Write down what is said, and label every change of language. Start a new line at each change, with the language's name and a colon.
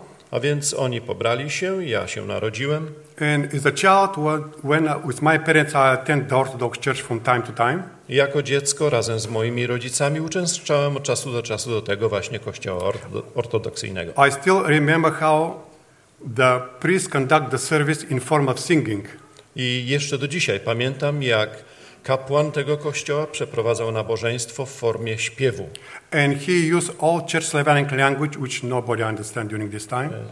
Polish: A więc oni pobrali się, ja się narodziłem.
English: And as a child, when with my parents I attend the Orthodox Church from time to time.
Polish: Jako dziecko razem z moimi rodzicami uczęszczałem od czasu do czasu do tego właśnie kościoła ortodoksyjnego.
English: I still remember how the priest conduct the service in form of singing.
Polish: I jeszcze do dzisiaj pamiętam, jak kapłan tego kościoła przeprowadzał nabożeństwo w formie śpiewu.
English: And he used old church Slavonic language, which nobody understand during this time.